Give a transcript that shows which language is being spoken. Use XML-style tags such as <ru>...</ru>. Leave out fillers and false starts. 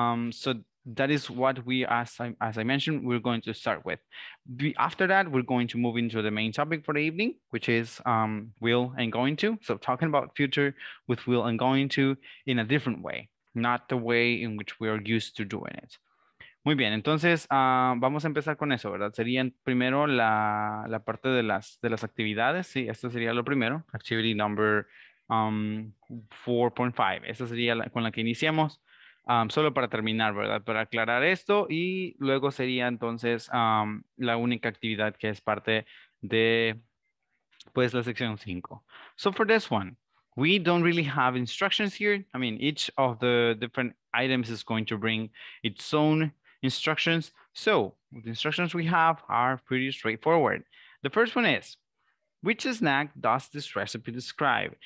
<en>So that is what we, as I mentioned, we're going to start with. After that, we're going to move into the main topic for the evening, which is will and going to. So talking about future with will and going to in a different way, not the way in which we are used to doing it.</en> <es>Muy bien, entonces vamos a empezar con eso, ¿verdad? Sería primero la parte de las actividades, sí, esto sería lo primero,</es> <en>activity number 4.5,</en> <es>esta sería con la que iniciamos, solo para terminar, ¿verdad? Para aclarar esto y luego sería entonces la única actividad que es parte de, pues, la sección 5.</es> <en>So for this one, we don't really have instructions here, I mean, each of the different items is going to bring its own instructions. So the instructions we have are pretty straightforward. The first one is, which snack does this recipe describe?</en>